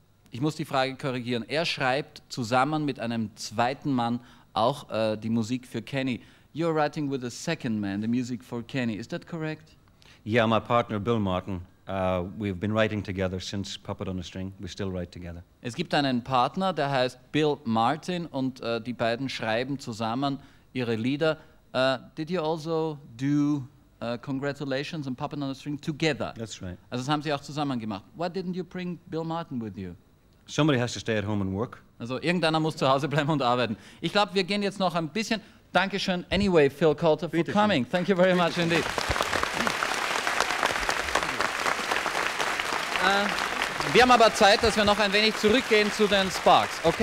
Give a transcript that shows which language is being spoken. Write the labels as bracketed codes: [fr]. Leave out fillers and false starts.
[de] Ich muss die Frage korrigieren. Er schreibt zusammen mit einem zweiten Mann auch die Musik für Kenny. [en] You're writing with a second man, the music for Kenny. Is that correct? Yeah, my partner Bill Martin. We've been writing together since Puppet on a String. We still write together. [de] Es gibt einen Partner, der heißt Bill Martin, und die beiden schreiben zusammen ihre Lieder. [en] Did you also do Congratulations and Puppet on a String together? That's right. [de] Also das haben sie auch zusammen gemacht. [en] Why didn't you bring Bill Martin with you? Somebody has to stay at home and work. [de] Also irgendeiner muss zu Hause bleiben und arbeiten. Ich glaube, wir gehen jetzt noch ein bisschen. [en] Dankeschön, anyway, Phil Coulter, for coming. Thank you very much indeed. [de] Wir haben aber Zeit, dass wir noch ein wenig zurückgehen zu den Sparks, okay?